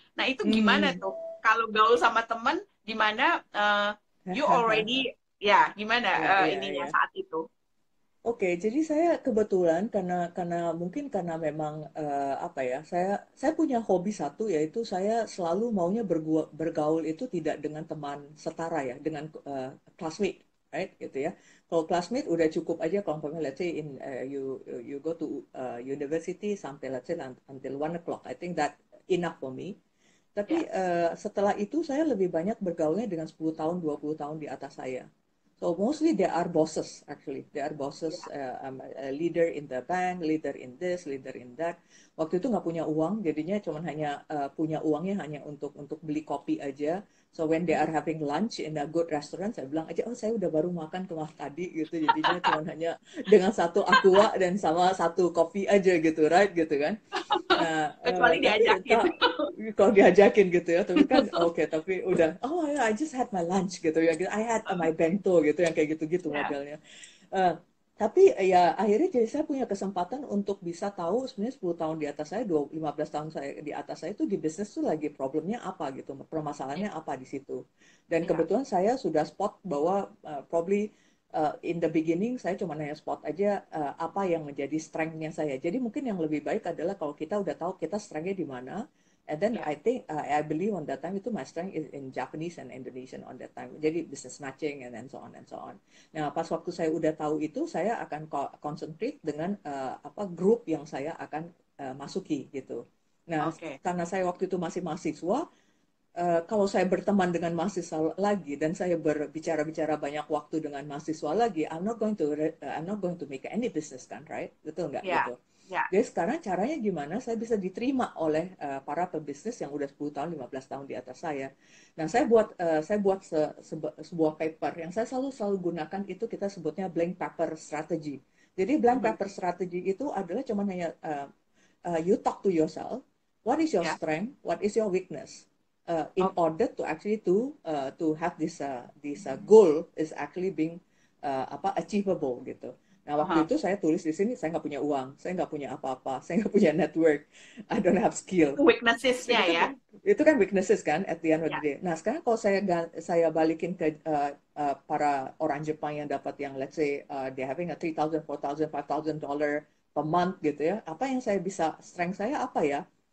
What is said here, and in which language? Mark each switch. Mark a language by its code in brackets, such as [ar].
[id] Nah, itu gimana tuh kalau gaul sama teman, di mana [en] you already, [id] ya gimana ininya saat itu? Oke, okay, jadi saya kebetulan karena mungkin karena memang apa ya saya punya hobi satu yaitu saya selalu maunya bergaul itu tidak dengan teman setara ya dengan classmate, right? Gitu ya. Kalau classmate udah cukup aja kalau misalnya [en] let's say in you go to university [id] sampai [en] let's say until 1 o'clock, I think that enough for me. [id] Tapi setelah itu saya lebih banyak bergaulnya dengan 10 tahun 20 tahun di atas saya. [en] So mostly they are bosses actually. They are bosses, a leader in the bank, leader in this, leader in that. [id] Waktu itu nggak punya uang, jadinya cuman hanya punya uangnya hanya untuk beli kopi aja. [en] So when they are having lunch in a good restaurant, [id] saya bilang aja, oh saya udah baru makan kemah tadi gitu. Jadinya cuman hanya dengan satu aqua dan sama satu kopi aja gitu, right? Gitu kan? Kecuali diajakin. Tapi, kalau diajakin gitu ya, tapi kan okay, tapi udah, oh yeah, [en] I just had my lunch [id] gitu ya, [en] I had my bento [id] gitu, yang kayak gitu-gitu modelnya. Tapi ya akhirnya jadi saya punya kesempatan untuk bisa tahu sebenarnya 10 tahun di atas saya, 15 tahun saya di atas saya itu di bisnis tuh lagi problemnya apa gitu, permasalahannya apa di situ. Dan kebetulan saya sudah spot bahwa [en] probably in the beginning [id] saya cuma nanya spot aja apa yang menjadi strength-nya saya. Jadi mungkin yang lebih baik adalah kalau kita udah tahu kita strength-nya di mana. [en] And then I think I believe on that time itu my strength is in Japanese and Indonesian on that time. Jadi business matching and then so on and so on. [id] Nah pas waktu saya udah tahu itu saya akan concentrate dengan grup yang saya akan masuki gitu. Nah karena saya waktu itu masih mahasiswa, kalau saya berteman dengan mahasiswa lagi dan saya berbicara-bicara banyak waktu dengan mahasiswa lagi, [en] I'm not going to make any business [id] kan, right? Betul nggak Ya, gitu? ya. Jadi sekarang caranya gimana saya bisa diterima oleh para pebisnis yang udah 10 tahun, 15 tahun di atas saya. Nah, saya buat sebuah paper yang saya selalu gunakan itu kita sebutnya blank paper strategy. Jadi blank paper strategy itu adalah cuman hanya [en] you talk to yourself, what is your strength, what is your weakness in order to actually to have this this goal is actually being apa achievable gitu. [id] Nah, waktu itu saya tulis di sini, saya nggak punya uang, saya nggak punya apa-apa, saya nggak punya network, [en] I don't have skill. [id] Weaknesses-nya Itu kan [en] weaknesses kan at the end of the day. [id] Nah, sekarang kalau saya balikin ke para orang Jepang yang dapat yang [en] let's say they having a $3,000, $4,000, $5,000 per month [id] gitu ya, apa yang saya bisa, strength saya apa ya?